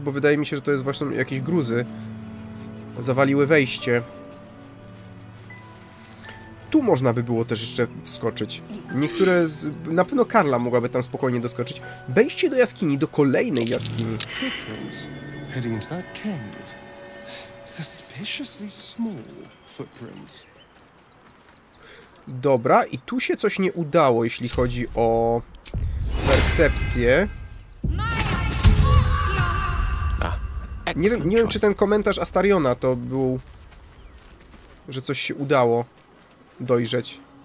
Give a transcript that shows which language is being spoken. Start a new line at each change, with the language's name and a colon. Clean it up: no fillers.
Polish: Bo wydaje mi się, że to jest właśnie jakieś gruzy. Zawaliły wejście. Tu można by było też jeszcze wskoczyć. Niektóre z... Na pewno Karla mogłaby tam spokojnie doskoczyć. Wejście do jaskini, do kolejnej jaskini.
English: Heading into that cave. Suspiciously small footprints.
Polish: Dobra, i tu się coś nie udało, jeśli chodzi o percepcję. Nie wiem, czy ten komentarz Astariona to był, że coś się udało dojrzeć.